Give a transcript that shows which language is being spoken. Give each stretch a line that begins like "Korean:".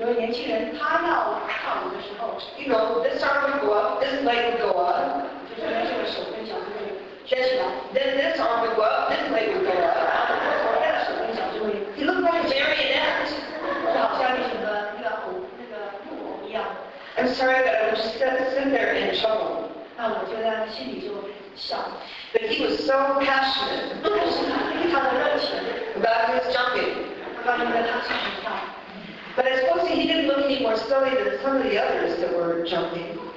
Chinese: 有年轻人他要跳舞的时候
English: you know, this arm would go up, this leg would go up.
Chinese: 就是这个手跟脚就会站起来
English: Then this arm would go up, this leg would go up.
Chinese: 手跟脚就会
English: He looked like a marionette.
Chinese: 就好像什么那个那个木偶一样
English: I'm sorry, but I was just sitting there in trouble.
Chinese: 那我就在心里就笑
English: But he was so passionate.
Chinese: 就是他非常的热情
English: About his jumping. But I suppose he didn't look any more silly than some of the others that were jumping.